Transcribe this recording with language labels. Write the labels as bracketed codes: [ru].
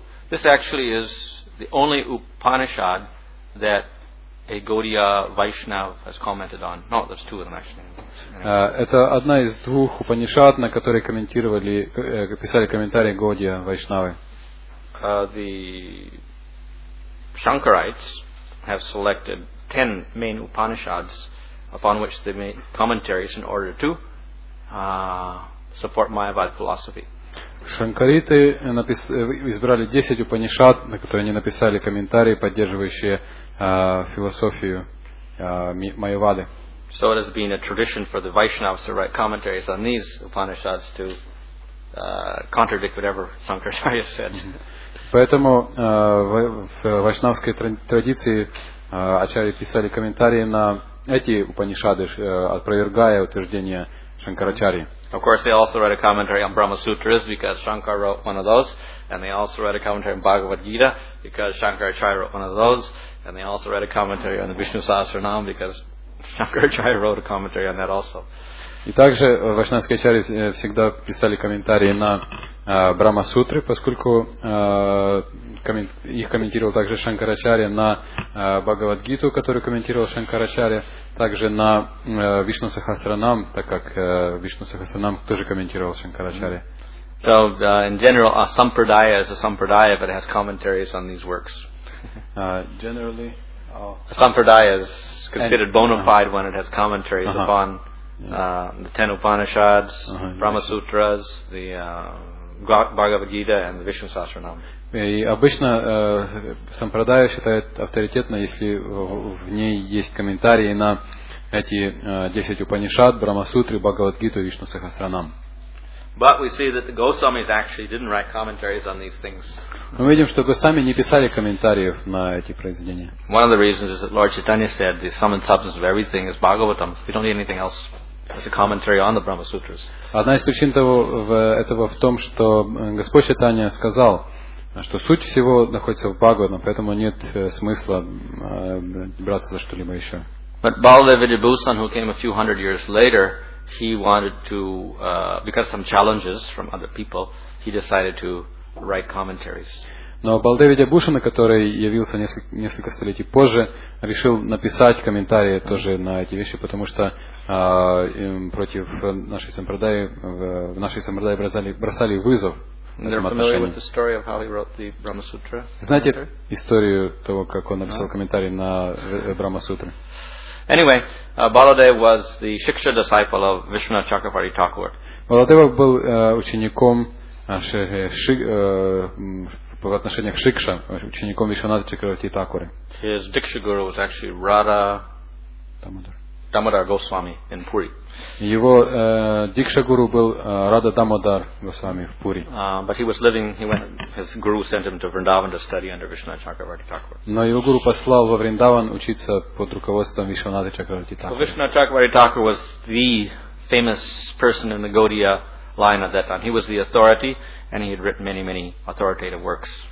[en] This actually is the only Upanishad that a Gaudiya Vaishnav has commented on. No, there's two of them actually. [ru] Это одна из двух Упанишад, на которые комментировали, писали комментарии Гаудия Вайшнавы. [en] The Shankarites have selected 10 main Upanishads upon which they made commentaries in order to support Mayavada philosophy. [ru] Шанкариты избрали 10 Упанишад, на которые они написали комментарии, поддерживающие философию Майявады. [en] So it has been a tradition for the Vaishnavas to write commentaries on these Upanishads to contradict whatever Shankaracharya said. [ru] Поэтому в вайшнавской традиции ачарьи писали комментарии на эти Упанишады, опровергая утверждения Шанкарачарьи. [en] Of course, they also write a commentary on Brahma Sutras because Shankar wrote one of those, and they also write a commentary on Bhagavad Gita because Shankaracharya wrote one of those, and they also write a commentary on the Vishnu Sahasranam because Shankaracharya wrote a commentary on that also. [ru] И также вайшнавские ачарьи всегда писали комментарии на Брахма Сутры, поскольку их комментировал также Шанкарачарья, на Бхагавадгиту, которую комментировал Шанкарачарья, также на Вишну Сахасранам, так как Вишну Сахасранам тоже комментировал Шанкарачарья. [en] So in general, a sampradaya is a sampradaya, but it has commentaries on these works. Generally, a sampradaya is considered bona fide when it has commentaries upon the ten Upanishads, Brahma Sutras, the Bhagavad Gita and the Vishnu Sahasranam. [ru] И обычно сампрадая считает авторитетно, если в ней есть комментарии на эти 10 Упанишад, Брахма Сутры, Бхагавад Гиту, Вишну Сахасранам. [en] But we see that the Госвамис actually didn't write commentaries on these things. [ru] Мы видим, что Госвами не писали комментариев на эти произведения. [en] One of the reasons is that Lord Chaitanya said the sum and substance of everything is Bhagavatam. We don't need anything else. It's a commentary on the Brahma Sutras. [ru] Одна из причин этого в том, что Господь Чайтанья сказал, что суть всего находится в Бхагаватам, поэтому нет смысла браться за что-либо еще. [en] But Baladeva Dibhusan, who came a few hundred years later, he wanted to, because some challenges from other people, he decided to write commentaries. [ru] Но Baladeva Dibhusan, который явился несколько столетий позже, решил написать комментарии тоже на эти вещи, потому что против нашей сампрадаи, в нашей сампрадаи бросали вызов. [en] They're familiar with the story of how he wrote the Brahma Sutra. [ru] Знаете историю того, как он написал комментарий на Брахма Сутры? [en] Anyway, Baladev was the Shiksha disciple of Vishwanath Chakravarti Thakur. [ru] Baladeva был учеником по отношению к Шикша, учеником Вишванатха Чакраварти Такуры. [en] His Diksha Guru was actually Radha Damodar Goswami in Puri. [ru] Его дикша гуру был Рада Дамодар Госвами в Пури. [en] But he was living. He went. His guru sent him to Vrindavan to study under Vishwanath Chakravarti Thakur. [ru] Но его гуру послал во Вриндаван учиться под руководством Вишванатха Чакраварти Такура. [en] Vishwanath Chakravarti Thakur was the famous person in the Gaudiya line at that time. He was the authority, and he had written many, many authoritative works.